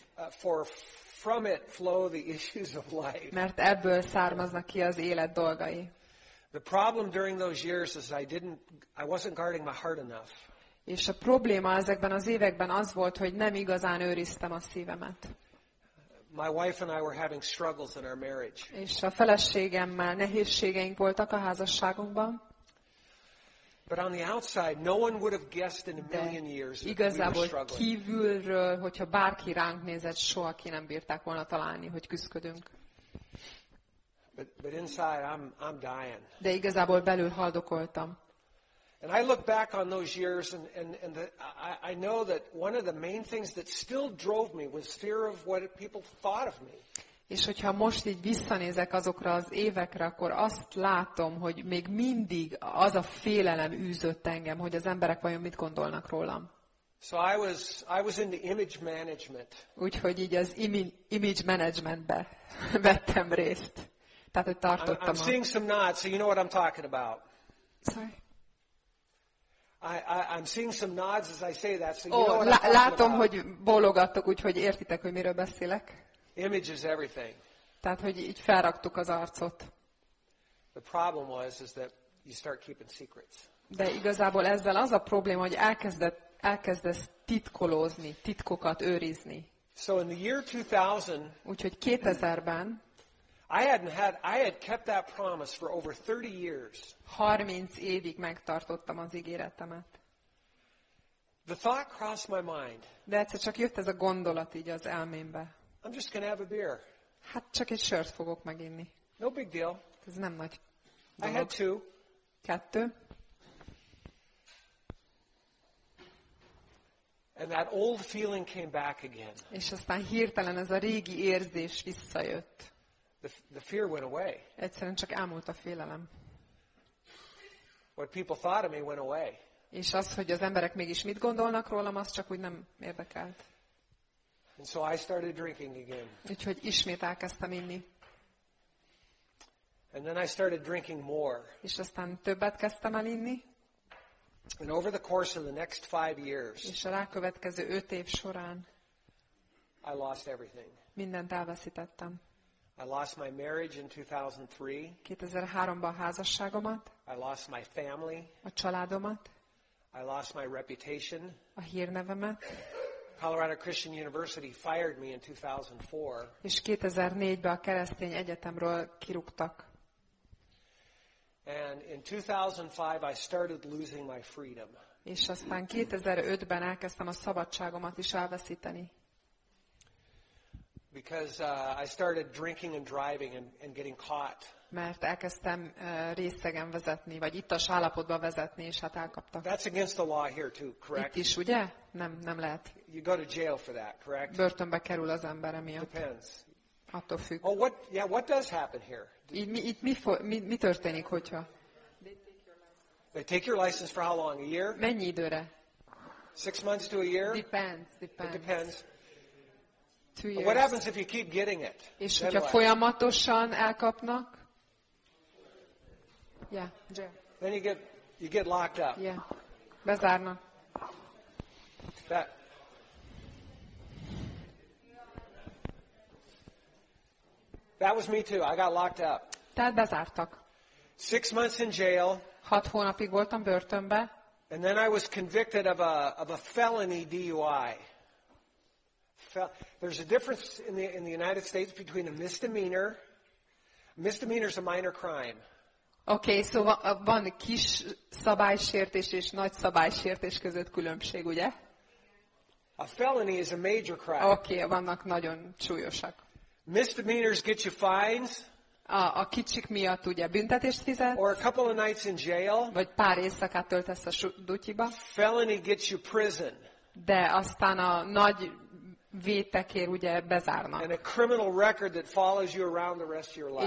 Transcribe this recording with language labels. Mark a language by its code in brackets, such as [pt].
[en] For from it flow the issues of life. [hu] Mert ebből származnak ki az élet dolgai. [en] The problem during those years is I wasn't guarding my heart enough. [hu] És a probléma ezekben az években az volt, hogy nem igazán őriztem a szívemet. [en] My wife and I were having struggles in our marriage. [hu] És a feleségemmel nehézségeink voltak a házasságunkban. [en] But on the outside, no one would have guessed in a million years that [hu] igazából kívülről, hogyha bárki ránk nézett, soha ki nem bírták volna találni, hogy küszködünk. [en] But inside, I'm dying. [hu] De igazából belül haldokoltam. [en] And I look back on those years I know that one of the main things that still drove me was fear of what people thought of me. [hu] És hogyha most így visszanézek azokra az évekre, akkor azt látom, hogy még mindig az a félelem űzött engem, hogy az emberek vajon mit gondolnak rólam. [en] So I was into image management. [hu] Úgyhogy így az image managementbe vettem részt. Tehát hogy tartottam. [en] I'm seeing some nods, so you know what I'm talking about. Sorry. I'm seeing some nods as I say that, so [hu] látom, hogy bólogattok, úgyhogy értitek, hogy miről beszélek. [en] Image is everything. [hu] Tehát, hogy így felraktuk az arcot. [en] The problem was is that you start keeping secrets. [hu] De igazából ezzel az a probléma, hogy elkezdesz titkolózni, titkokat őrizni. [en] So in the year 2000, [hu] úgyhogy 2000-ben, [en] I had kept that promise for over 30 years. [hu] 30 évig megtartottam az ígéretemet. [en] The thought crossed my mind. [hu] De egyszer csak jött ez a gondolat így az elmémbe. [en] I'm just gonna have a beer. [hu] Hát csak egy sört fogok meginni. [en] No big deal. [hu] Ez nem nagy dolog. [en] I had two. [hu] Kettő. [en] And that old feeling came back again. [hu] És aztán hirtelen ez a régi érzés visszajött. [en] The fear went away. [hu] Egyszerűen csak elmúlt a félelem. [en] What people thought of me went away. [hu] És az, hogy az emberek mégis mit gondolnak rólam, az csak úgy nem érdekelt. [en] And so I started drinking again. [hu] Úgyhogy ismét elkezdtem inni. [en] And then I started drinking more. [hu] És aztán többet kezdtem el inni. [en] And over the course of the next 5 years. [hu] És a rákövetkező 5 év során. [en] I lost everything. [hu] Mindent elveszítettem. [en] I lost my marriage in 2003. [hu] 2003-ban a házasságomat. [en] I lost my family. [hu] A családomat. [en] I lost my reputation. [hu] A hírnevemet. [en] Colorado Christian University fired me in 2004. [hu] És 2004-ben a Keresztény Egyetemről kirúgtak. [en] And in 2005 I started losing my freedom. [hu] És aztán 2005-ben elkezdtem a szabadságomat is elveszíteni. [en] Because I started drinking and driving and getting caught. [hu] Mert elkezdtem részegen vezetni, vagy ittas állapotban vezetni, és hát elkaptak. [en] That's against the law here too, correct? [hu] Itt is, ugye? Nem lehet. [en] You go to jail for that, correct? [hu] Börtönbe kerül az ember emiatt. [en] Depends. [hu] Attól függ. [en] Oh, what does happen here? [hu] Itt mi történik, hogyha? [en] They take your license for how long? A year? [hu] Mennyi időre? [en] 6 months to a year? Depends. It depends. 2 years. What happens if you keep getting it? [hu] És [en] then [hu] hogyha folyamatosan elkapnak? [en] Yeah, jail. Then you get locked up. [hu] Yeah. Bezárnak. [en] That was me too. I got locked up. [hu] Tehát bezártak. [en] 6 months in jail. [hu] 6 hónapig voltam börtönbe. [en] And then I was convicted of a felony DUI. There's a difference in the United States between a misdemeanor. Misdemeanor is a minor crime. Okay, so [hu] van kis szabálysértés és nagy szabálysértés között különbség, ugye? [en] A felony is a major crime. [hu] Okay, vannak nagyon súlyosak. [en] Misdemeanors get you fines. [hu] A kicsik miatt ugye büntetést fizet. [en] Or a couple of nights in jail. [hu] Vagy pár éjszakát töltesz a dutyiba. [en] Felony gets you prison. [hu] De aztán a nagy vétekér ugye bezárnak. [en] And a criminal record that follows you around the rest of your life.